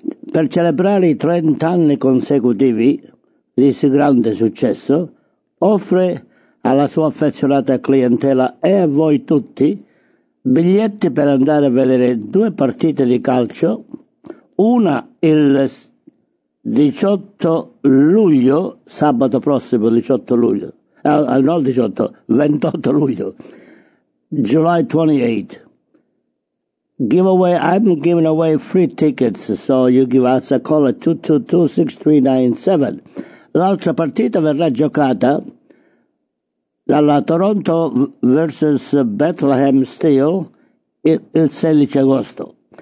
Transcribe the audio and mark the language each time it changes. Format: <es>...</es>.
<it>per celebrare i 30 anni consecutivi di questo grande successo, offre alla sua affezionata clientela e a voi tutti biglietti per andare a vedere due partite di calcio, una il 18 luglio, sabato prossimo 18 luglio, no, 18, 28 luglio,</it> <en>July 28. Giveaway, I'm giving away free tickets, so you give us a call at 222-6397.</en> <it>L'altra partita verrà giocata dalla Toronto versus Bethlehem Steel il 16 agosto.</it>